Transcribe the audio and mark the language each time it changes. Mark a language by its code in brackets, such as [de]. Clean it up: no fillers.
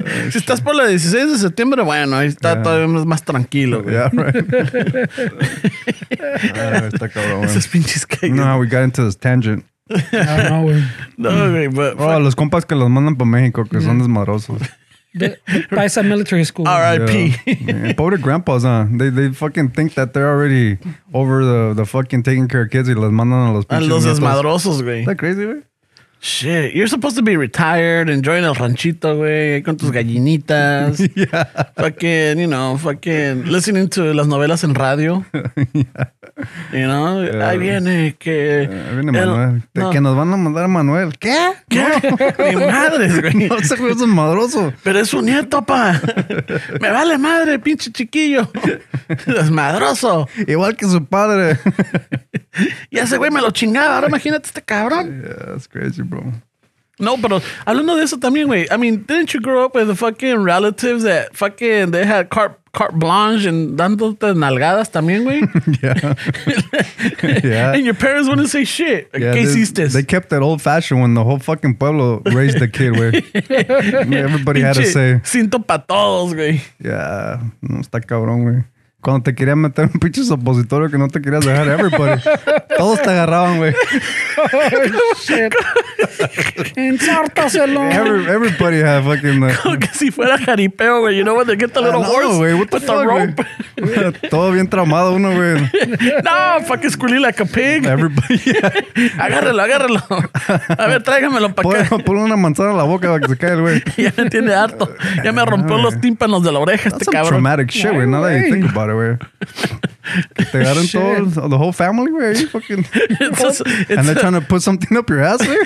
[es] Si estás por la 16 de septiembre, bueno, ahí está todavía más tranquilo, güey. [en] Yeah, right. [es] Está cabrón, güey. Esas pinches calles. [en] No, we got into this tangent. [es] No, güey. No, güey, los compas que los mandan para México, que son desmadrosos. [en] By some military school. R.I.P. Yeah. Pobre grandpas, huh? They fucking think that they're already over the fucking taking care of kids [es] y les mandan a los pinches. A los desmadrosos, güey. [en] Is that crazy, güey? Shit. You're supposed to be retired, enjoying [es] el ranchito, güey, con tus gallinitas. [en] Yeah. Fucking, you know, fucking listening to [es] las novelas en radio. [en] Yeah. You know? Yeah. [es] Ahí viene que... Ahí viene Manuel. No. Que nos van a mandar a Manuel. ¿Qué? ¿Qué? No. Mi madre, güey. No sé, güey, es un madroso. Pero es su nieto, pa. Me vale madre, pinche chiquillo. Es madroso. Igual que su padre. Ya ese güey me lo chingaba. Ahora imagínate este cabrón. [en] Yeah, that's crazy. Bro. [es] No, pero hablando de eso también, güey. [en] I mean, didn't you grow up with the fucking relatives that fucking they had carte blanche and [es] dándote nalgadas también, güey? [en] Yeah. And your parents wouldn't say shit. Yeah, [es] ¿qué hiciste? [en] They kept that old fashioned when the whole fucking pueblo raised the kid, güey. Everybody had to say. [es] Cinto pa todos, güey. Yeah. No, está cabrón, güey. Cuando te querían meter un pinche supositorio que no te querías dejar everybody. Todos te agarraban, güey. Oh, shit. Ensártaselo. [en] Everybody had fucking... [es] Como que si fuera jaripeo, güey. [en] You know when they get the little horse [es] wey. [en] What the fuck, rope. [es] Todo bien traumado uno, güey. [en] No, fucking squealing like a pig. Everybody, yeah. [es] Agárralo. A ver, tráigamelo para acá. Ponle una manzana en la boca para que se caiga el güey. Ya me tiene harto. Ya me rompió los tímpanos de la oreja [en] That's [es] este cabrón. [en] That's some traumatic shit, güey. Nada de think about it, güey. They got into the whole family, where you fucking and they're trying to put something up your ass, where